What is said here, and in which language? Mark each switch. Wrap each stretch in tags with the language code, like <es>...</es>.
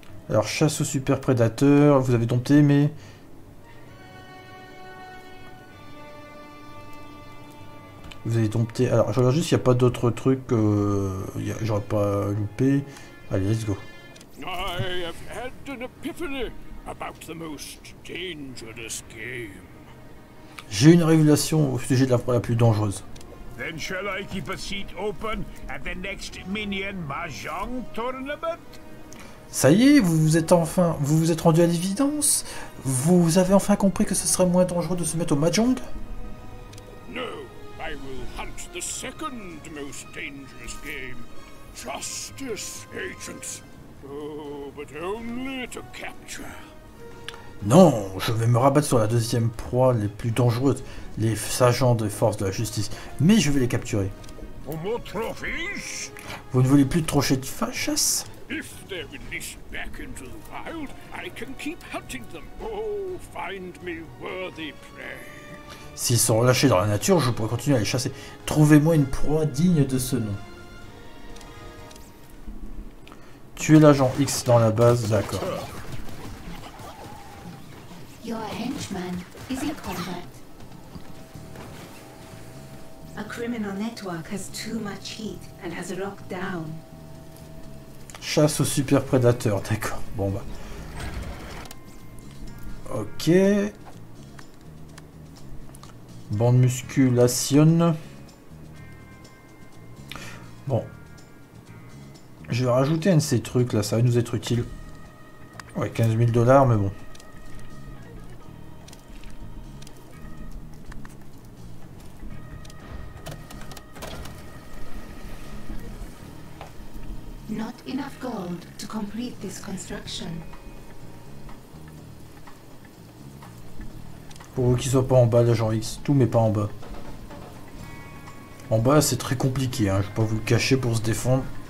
<fr>Alors, chasse au super prédateur, vous avez dompté, mais... Vous avez dompté. Alors, je regarde juste s'il n'y a pas d'autres trucs que j'aurais pas loupé. Allez,</fr> <en>let's go. I have had an epiphany about the most dangerous game.</en> <fr>J'ai une révélation au sujet de la fois la plus dangereuse.</fr> <en>Then shall I keep a seat open at the next Minion Mahjong tournament?</en> <fr>Ça y est, vous vous êtes rendu à l'évidence. Vous avez enfin compris que ce serait moins dangereux de se mettre au Mahjong?</fr> <en>I will hunt the second most dangerous game, Justice Agents. Oh, but only to capture.</en> <fr>Non, je vais me rabattre sur la deuxième proie les plus dangereuses, les agents des forces de la justice, mais je vais les capturer. Pour mon trophée? Vous ne voulez plus de trophée de chasse?</fr> <en>If they're released back into the wild, I can keep hunting them. Oh, find me worthy prey.</en> <fr>S'ils sont relâchés dans la nature, je pourrais continuer à les chasser. Trouvez-moi une proie digne de ce nom. Tuer l'agent X dans la base, d'accord.</fr> <en>Your henchman is in combat. A criminal network has too much heat and has locked down.</en> <fr>Chasse au super prédateur, d'accord. Bon bah. Ok. Bande musculation. Bon. Je vais rajouter un de ces trucs là, ça va nous être utile. Ouais, 15 000 dollars, mais bon.</fr> <en>Not enough gold to complete this construction.</en> <fr>Pour qu'il soit pas en bas, l'agent X. Tout, mais pas en bas. En bas, c'est très compliqué. Hein. Je vais pas vous le cacher pour se défendre.</fr>